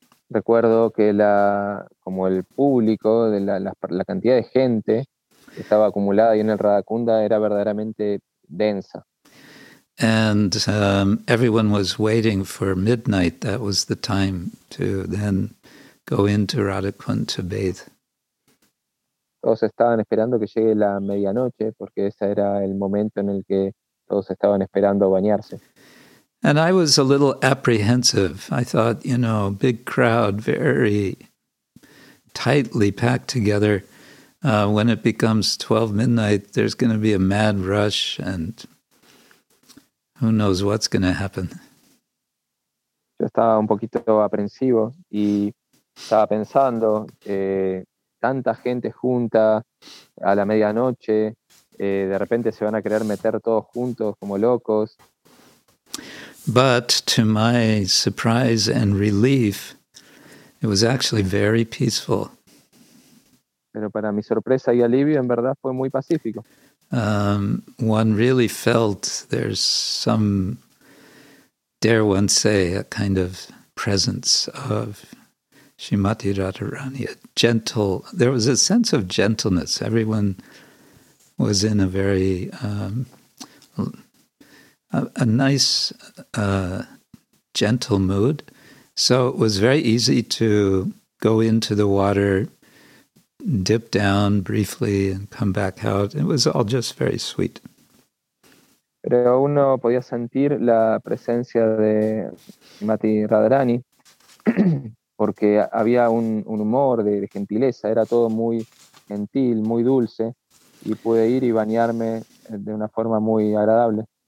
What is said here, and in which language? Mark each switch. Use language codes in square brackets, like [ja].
[es] Recuerdo que la cantidad de gente que estaba acumulada ahí en el Radhakunda era verdaderamente densa. [en] And everyone was waiting for midnight. That was the time to then go into Radhakunda to bathe. [es] Todos estaban esperando que llegue la medianoche porque ese era el momento en el que todos estaban esperando bañarse. [en] And I was a little apprehensive. I thought, you know, big crowd, very tightly packed together. When it becomes 12 midnight, there's going to be a mad rush and who knows what's going to happen. [es] Yo estaba un poquito aprensivo y estaba pensando, tanta gente junta a la medianoche, de repente se van a querer meter todos juntos como locos. [en] But to my surprise and relief, it was actually very peaceful. [es] Pero para mi sorpresa y alivio, en verdad fue muy pacífico. [en] One really felt there's some, dare one say, a kind of presence of Srimati Radharani, a gentle, there was a sense of gentleness. Everyone was in a very a nice, gentle mood. So it was very easy to go into the water, dip down briefly, and come back out. It was all just very sweet. [es] Pero uno podía sentir la presencia de Mati Radharani, porque había un humor de gentileza, era todo muy gentil, muy dulce, y pude ir y bañarme de una forma muy agradable.